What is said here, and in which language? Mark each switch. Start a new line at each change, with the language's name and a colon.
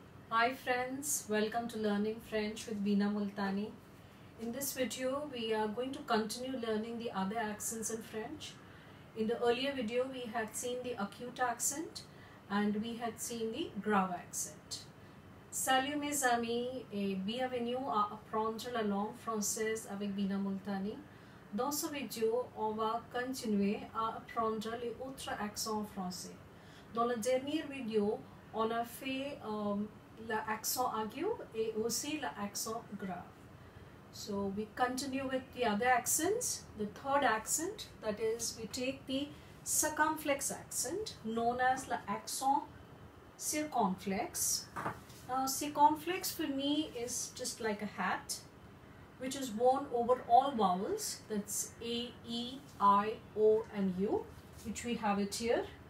English: Hi friends, welcome to Learning French with Veena Multani. In this video, we are going to continue learning the other accents in French. In the earlier video, we had seen the acute accent and we had seen the grave accent.
French: Salut mes amis et bienvenue à apprendre la langue française avec Veena Multani. Dans ce vidéo, on va continuer à apprendre les autres accents français. Dans la dernière vidéo, on a fait l'accent aigu et aussi l'accent grave.
English: So we continue with the other accents. The third accent, that is, we take the circumflex accent known as l'accent circumflex. Now, circumflex for me is just like a hat which is worn over all vowels, that's A, E, I, O, and U, which we have it here.